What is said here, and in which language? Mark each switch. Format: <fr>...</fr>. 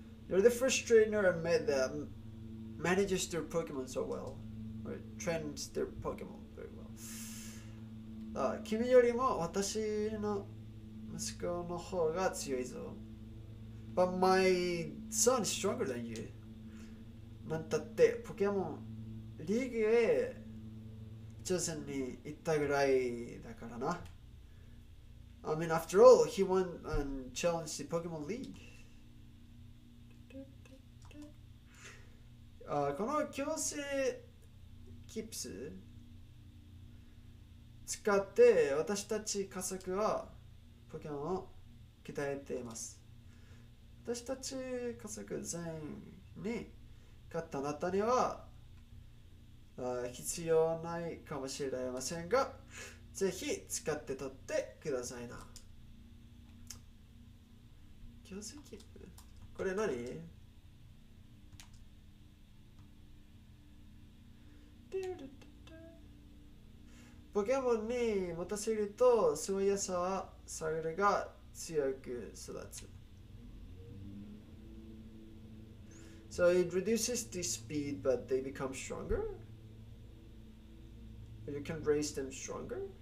<en>You're the first trainer I met that manages their Pokemon so well, or trains their Pokemon.</en> <ja>君よりも私の息子の方が強いぞ。</ja> <en>But my son is stronger than you.</en> <ja>なんたってポケモンリーグへ挑戦に行ったぐらいだからな。</ja> <en>I mean, after all, he won and challenged the Pokemon League.</en> <ja>この強制キープス使って私たち家族はポケモンを鍛えています。私たち家族全員に勝ったあなたには必要ないかもしれませんが、ぜひ使って取ってくださいな。強制キープ？これ何？デュルッポケモンに持たせると素早さは下がるが強く育つ。</ja> <en>So it reduces the speed but they become stronger? You can raise them stronger?</en>